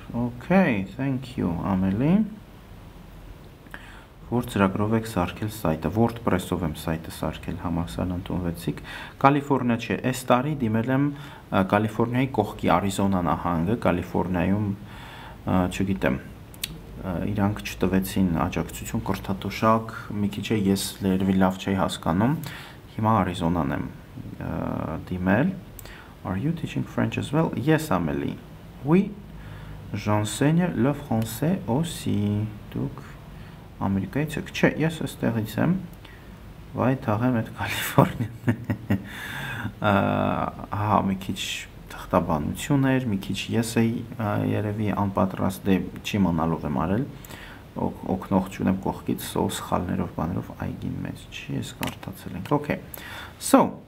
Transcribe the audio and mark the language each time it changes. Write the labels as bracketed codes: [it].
[en] Okay, thank you, [hy] Ամելի։ Որ ծրագրով եք սարքել սայտը, WordPress-ով եմ սայտը սարքել, համալսարան ընդունվեցիք։ Կալիֆորնիա չէ, այս տարի դիմել եմ Կալիֆորնիայի կողքի Արիզոնա նահանգը, Կալիֆորնիայում, չգիտեմ, իրանք չտվեցին աջակցություն, կրթաթոշակ, մի քիչ ես լերվի լավ չէի հասկանում, հիմա Արիզոնան եմ դիմել։ [en] Are you teaching French as well? Yes, Ameli. [fr] Oui, j'enseigne le français aussi. [hy] Դուք ամերիկայից եք։ Չէ, ես այստեղից եմ, վայ թաղեմ այդ Կալիֆորնիան։ Ահա, մի քիչ թղթաբանություն էր, մի քիչ ես էի երևի անպատրաստ, դե չի մնալով եմ արել, օգնող չունեմ կողքից, սո սխալներով բաներով, այգին մեզ չի, ես կարդացել ենք, օքե։ So,